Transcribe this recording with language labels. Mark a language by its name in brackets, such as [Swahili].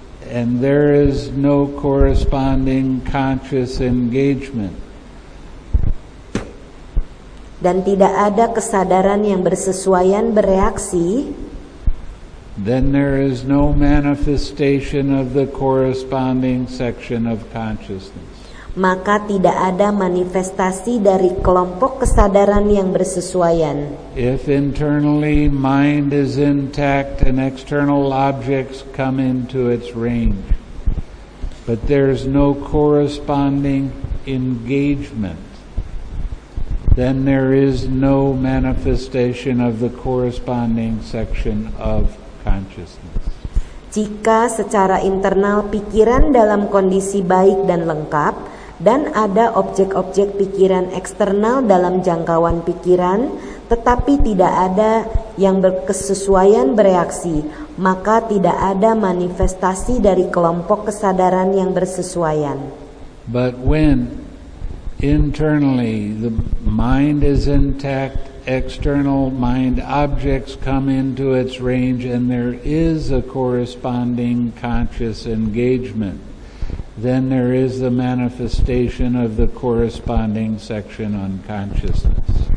[English] And there is no corresponding conscious engagement. [Indonesian] Dan tidak ada kesadaran yang bersesuaian bereaksi. [English] Then there is no manifestation of the corresponding section of consciousness. [Indonesian] Maka tidak ada manifestasi dari kelompok kesadaran yang bersesuaian. [English] If internally mind is intact and external objects come into its range, but there's no corresponding engagement, then there is no manifestation of the corresponding section of consciousness. [Indonesian] Jika secara internal pikiran dalam kondisi baik dan lengkap, dan ada objek-objek pikiran eksternal dalam jangkauan pikiran, tetapi tidak ada yang berkesesuaian bereaksi, maka tidak ada manifestasi dari kelompok kesadaran yang bersesuaian. [English] But when internally the mind is intact, external mind objects come into its range and there is a corresponding conscious engagement, then there is the manifestation of the corresponding section on consciousness.